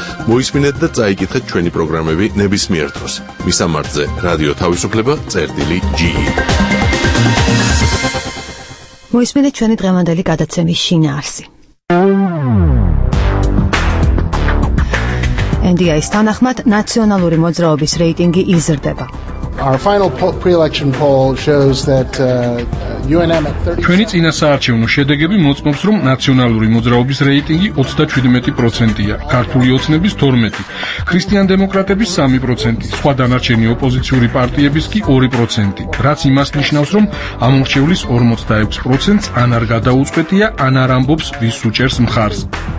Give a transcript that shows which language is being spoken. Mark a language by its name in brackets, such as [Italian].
[Georgian] მოისმინეთ და წაიკითხეთ ჩვენი პროგრამები ნებისმიერ დროს. მისამართზე რადიო თავისუფლება _ge. მოისმინეთ ჩვენი დღევანდელი გადაცემის შინაარსი. NDI-ის თანახმად, ნაციონალური მოძრაობის რეიტინგი იზრდება. [English] Our final pre-election poll shows that UNM at 30. [Georgian] ჩვენი წინასაარჩევნო შედეგები მოწმობს, რომ ნაციონალური მოძრაობის რეიტინგი 37%-ია, ქართული ოცნების 12, ქრისტიან-დემოკრატების 3%, სხვა დანარჩენი ოპოზიციური პარტიების კი 2%, რაც იმას ნიშნავს, რომ ამ მრჩევლის 46%-ს ან არ გადაუწყვეტია, ან არ ამბობს ვის უჭერს მხარს.